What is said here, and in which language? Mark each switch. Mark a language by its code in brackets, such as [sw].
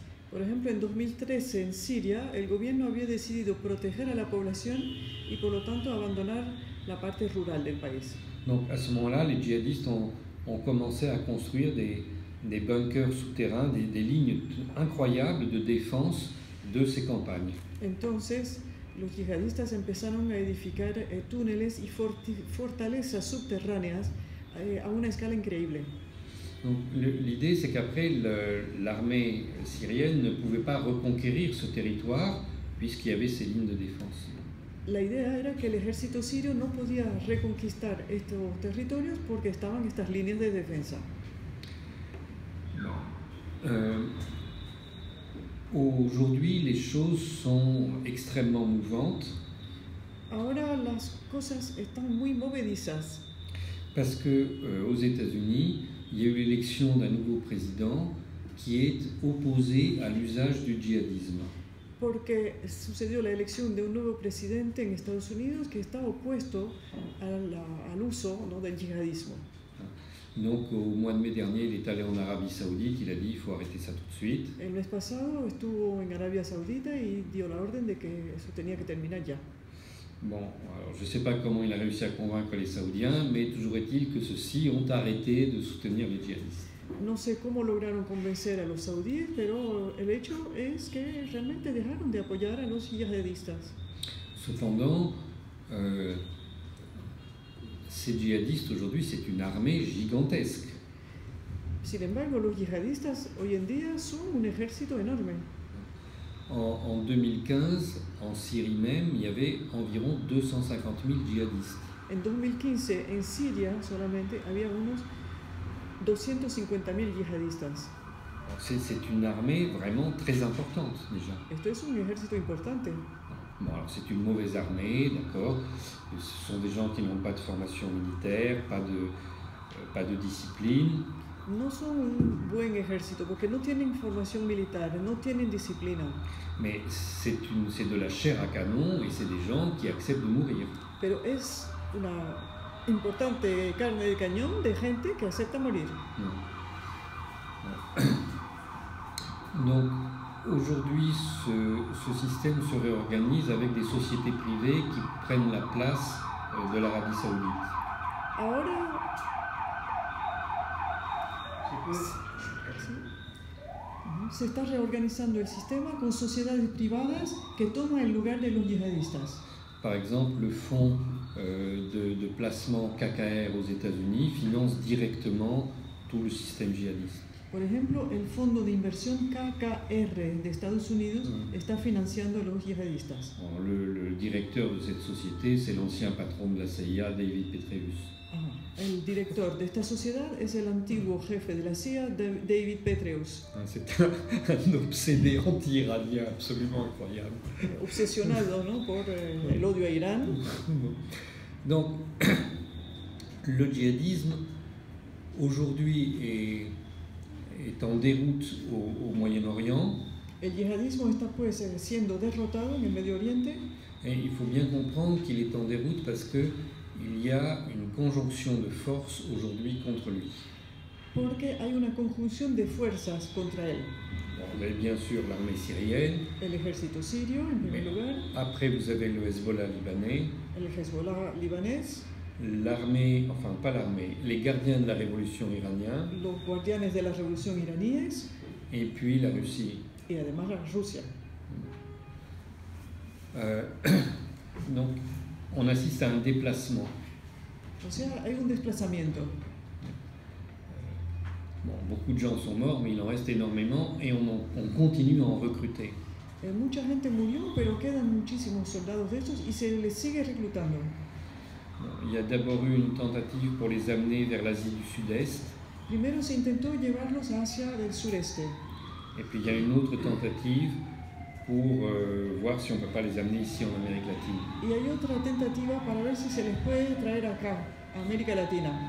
[fr] Par exemple, en 2013, en Syrie, [es] el gobierno había decidido proteger a la población y por lo tanto abandonar la parte rural del país. [fr] Donc à ce moment-là, les djihadistes ont commencé à construire des bunkers souterrains, des lignes incroyables de défense de ces campagnes. [es] Entonces, los yihadistas empezaron a edificar túneles y fortalezas subterráneas a una escala increíble. [fr] Donc, l'idée c'est qu'après l'armée syrienne ne pouvait pas reconquérir ce territoire puisqu'il y avait ces lignes de défense. [es] La idea era que el ejército sirio no podía reconquistar estos territorios porque estaban estas líneas de defensa. [fr] Aujourd'hui, les choses sont extrêmement mouvantes. [es] Ahora las cosas están muy movedizas. [fr] Parce que aux États-Unis, il y a eu l'élection d'un nouveau président qui est opposé à l'usage du djihadisme. [es] Porque sucedió la elección de un nuevo presidente en Estados Unidos que está opuesto al uso, ¿no?, del yihadismo. [fr] Donc au mois de mai dernier, il est allé en Arabie Saoudite, il a dit il faut arrêter ça tout de suite. [es] El mes pasado estuvo en Arabia Saudita y dio la orden de que eso tenía que terminar ya. [fr] Bon, alors je ne sais pas comment il a réussi à convaincre les Saoudiens, mais toujours est-il que ceux-ci ont arrêté de soutenir les djihadistes. [es] No sé cómo lograron convencer a los saudíes, pero el hecho es que realmente dejaron de apoyar a los yihadistas. [fr] Cependant, ces djihadistes aujourd'hui, c'est une armée gigantesque. [es] Sin embargo, los yihadistas hoy en día son un ejército enorme. [fr] En 2015, en Syrie même, il y avait environ 250 000 djihadistes. [es] En 2015, en Siria solamente había unos 250 000 yihadistas. [fr] C'est une armée vraiment très importante déjà. [es] Esto es un ejército importante. [fr] Bon, alors c'est une mauvaise armée, d'accord. Ce sont des gens qui n'ont pas de formation militaire, pas de discipline. [es] No son un buen ejército porque no tienen formación militar, no tienen disciplina. [fr] Mais c'est de la chair à canon et c'est des gens qui acceptent de mourir. [es] Pero es una importante carne de cañón de gente que acepta morir. [fr] Donc aujourd'hui, ce système se réorganise avec des sociétés privées qui prennent la place de l'Arabie Saoudite. [es] Ahora, se está reorganizando el sistema con sociedades privadas que toman el lugar de los yihadistas. [fr] Par exemple, le fonds de placement KKR aux États-Unis finance directement tout le système djihadiste. [es] Por ejemplo, el fondo de inversión KKR de Estados Unidos está financiando a los yihadistas. [fr] Le directeur de cette société, c'est l'ancien patron de la CIA, David Petraeus. [es] El director de esta sociedad es el antiguo jefe de la CIA, David Petraeus. [fr] C'est un obsédé anti-iranien absolument incroyable. [es] Obsesionado, ¿no?, por el odio a Irán. [fr] Donc, le djihadisme aujourd'hui est en déroute au Moyen-Orient. [es] El yihadismo está pues siendo derrotado en el Medio Oriente. [fr] Et il faut bien comprendre qu'il est en déroute parce que il y a une conjonction de forces aujourd'hui contre lui. [es] Porque hay una conjunción de fuerzas contra él. [fr] Bon, mais bien sûr l'armée syrienne. [es] El ejército sirio en primer lugar. [fr] Après vous avez le Hezbollah libanais. [es] El Hezbollah libanés. [fr] L'armée, enfin pas l'armée, les gardiens de la révolution iranienne. [es] Los guardianes de la revolución iraní. [fr] Et puis la Russie. [es] Y además la Rusia. [fr] Donc on assiste à un déplacement. [es] O sea, hay un desplazamiento. [fr] Bon, beaucoup de gens sont morts, mais il en reste énormément et on continue à en recruter. [es] Mucha gente murió, pero quedan muchísimos soldados de estos y se les sigue reclutando. [fr] Il y a d'abord eu une tentative pour les amener vers l'Asie du Sud-Est. [es] Primero se intentó llevarlos hacia el sureste. [fr] Et puis il y a une autre tentative pour voir si on ne peut pas les amener ici en Amérique latine. [es] Y hay otra tentativa para ver si se les puede traer acá, a América Latina.